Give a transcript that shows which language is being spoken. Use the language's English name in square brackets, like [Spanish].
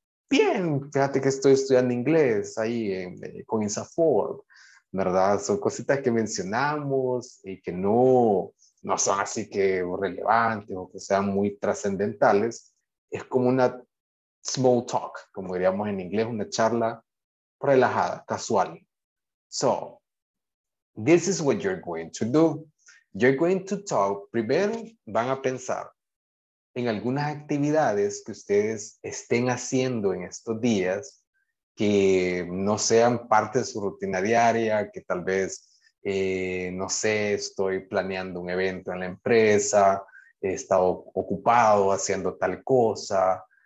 [Spanish] Bien, fíjate que estoy estudiando inglés ahí con INSAFORP, ¿verdad? Son cositas que mencionamos y que no son así que relevantes o que sean muy trascendentales. Es como una small talk, como diríamos en inglés, una charla relajada, casual. [English] So, this is what you're going to do. You're going to talk, [Spanish] primero van a pensar en algunas actividades que ustedes estén haciendo en estos días que no sean parte de su rutina diaria, que tal vez, no sé, estoy planeando un evento en la empresa, he estado ocupado haciendo tal cosa,